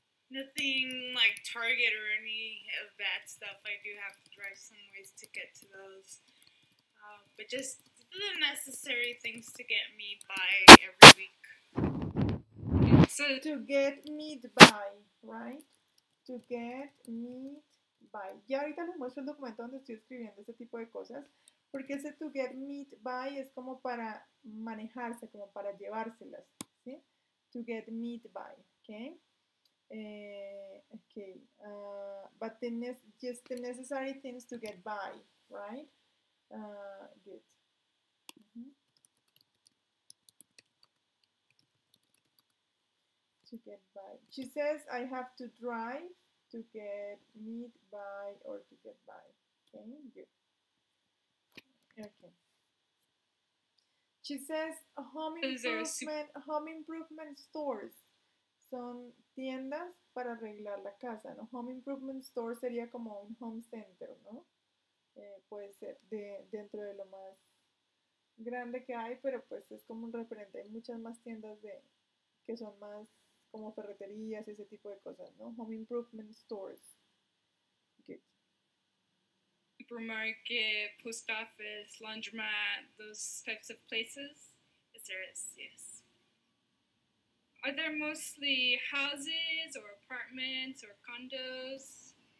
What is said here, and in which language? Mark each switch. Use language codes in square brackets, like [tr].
[en] Nothing like Target or any of that stuff. I do have to drive some ways to get to those. But just the necessary things to get me by every week. So to get me by, right? To get me by. [es] Ya ahorita les muestro el documento donde estoy escribiendo este tipo de cosas, Porque ese [en] to get meat by [es] es como para manejarse, como para llevárselas, ¿sí? [en] To get meat by, ¿ok? Okay. But just the necessary things to get by, right? Good. To get by. She says, I have to drive to get meat by or to get by. Okay, good. Okay. She says, home improvement stores [es] son tiendas para arreglar la casa, ¿no? Home improvement store sería como un home center, ¿no? Puede ser dentro de lo más grande que hay, pero pues es como un referente. Hay muchas más tiendas que son más como ferreterías, ese tipo de cosas, ¿no? [en] Home improvement stores. Good. Supermarket, post office, laundromat, those types of places. Yes, there is, yes. Are there mostly houses or apartments or condos?